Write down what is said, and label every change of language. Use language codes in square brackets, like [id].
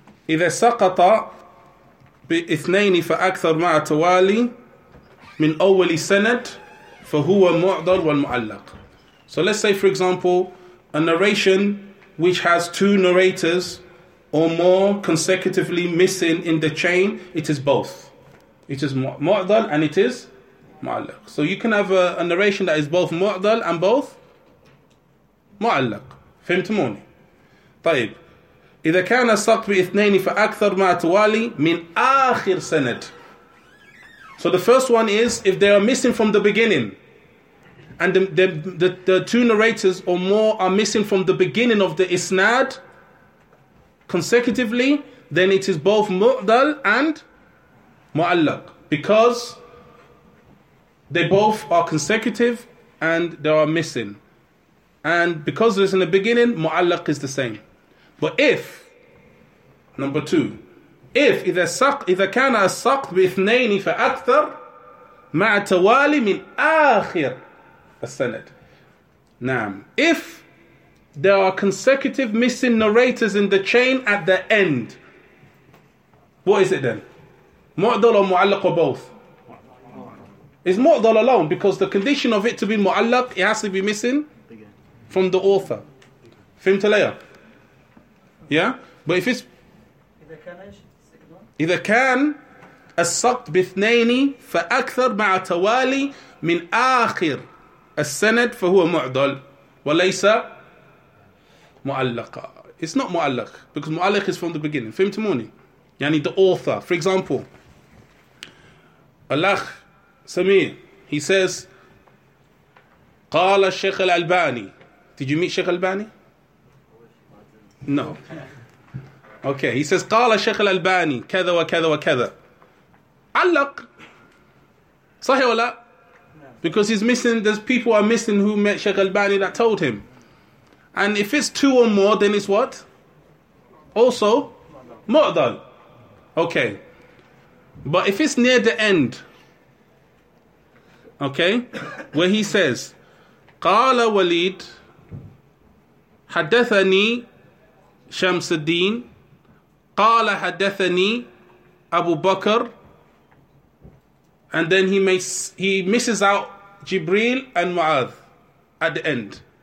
[ar] إذا سقط باثنين فأكثر مع توالي من أول سند فهو معضل والمعلق. [en] So let's say, for example, a narration which has two narrators or more consecutively missing in the chain, it is both. It is mu'dal and it is mu'allaq. So you can have a narration that is both mu'dal and both mu'allaq. [ar] Fahimtumuni? طيب. إذا كان السقط بإثنين فأكثر مع توالي من آخر سند. [en] So the first one is, if they are missing from the beginning, and the two narrators or more are missing from the beginning of the isnad consecutively, then it is both mu'dal and mu'allaq, because they both are consecutive and they are missing, and because it's in the beginning, mu'allaq is the same. But if number two, if [ar] إذا كان السقط بإثنين فأكثر مع توالي من آخر السند. نعم. [en] If there are consecutive missing narrators in the chain at the end, what is it then? معضل or معلق or both? It's معضل alone, because the condition of it to be معلق, it has to be missing from the author. [ar] فهمت ليا؟ Yeah? [en] But if it's [ar] إذا كان السقط باثنين فأكثر مع توالي من آخر السند فهو معضل وليس معلق. [en] It's not معلق, because معلق is from the beginning. [ar] فهمتموني؟ يعني [en] the author. For example, الأخ سمير, he says, [ar] قال الشيخ الألباني. [en] Did you meet الشيخ الألباني? No. Okay, he says, [ar] قال الشيخ الألباني كذا وكذا وكذا. علق. صحيح ولا؟ [en] Because he's missing, there's people are missing who met الشيخ الألباني that told him. And if it's two or more, then it's what? Also, معضل. Okay. But if it's near the end, okay, where he says, [ar] قال وليد حدثني شمس الدين قال حدثني أبو بكر, [en] and then he misses out Jibril and Mu'adh at the end.